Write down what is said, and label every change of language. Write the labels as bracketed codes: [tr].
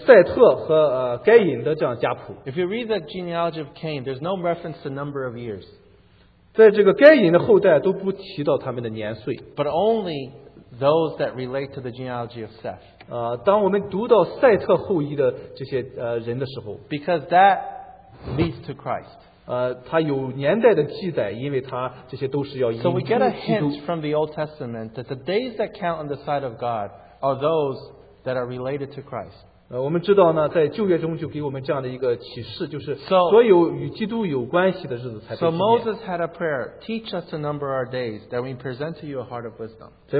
[zh] 我们看到这些赛特和该隐的这样家谱, [en] if you read the genealogy of Cain, there's no reference to number of years. [zh] 在这个该隐的后代都不提到他们的年岁, [en] but only those that relate to the genealogy of Seth. [zh] 当我们读到赛特后裔的这些人的时候, [en] because that leads to Christ. [zh] 它有年代的记载,因为它这些都是要引入基督。 [en] So we get a hint from the Old Testament that the days that count on the side of God are those that are related to Christ. [zh] 我们知道呢,在旧约中就给我们这样的一个启示,就是所有与基督有关系的日子才被纪念。 [en] So Moses had a prayer, teach us to number our days, that we present to you a heart of wisdom.